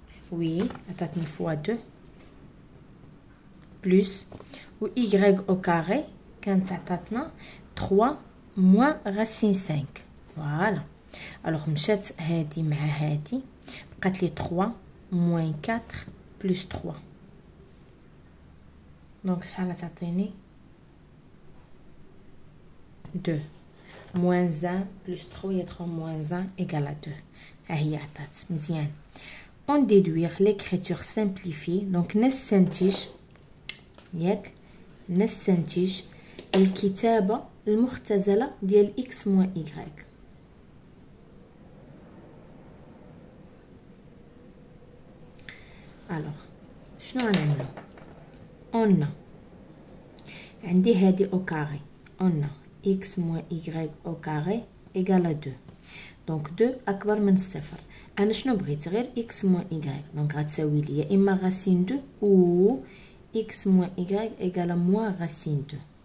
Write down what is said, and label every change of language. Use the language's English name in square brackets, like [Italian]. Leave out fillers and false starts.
[French] Oui, t'attend une fois 2. Plus ou y au carré, quand ça t'attend 3 moins racine 5. Voilà. Alors, مشات هادي مع هادي بقات لي 3 moins 4 plus 3. Donc, ça va t'atteindre 2. Moins 1 plus 3 et 3 moins 1 égale à 2. [Arabic] هي عطات مزيان. [French] On déduit l'écriture simplifiée. [Arabic] Donc, نستنتج ياك نستنتج الكتابة المختزلة ديال x moins y. [French] Alors, شنو غنعملو؟ On a. [Arabic] عندي هادي او كاري. [French] On a x moins y au carré égale à 2. [Arabic] Donc 2 أكبر من 0. أنا شنو بغيت؟ غير x moins y. [French] Donc غتساوي ليا إما racine 2 أو x moins y égale à moins racine 2.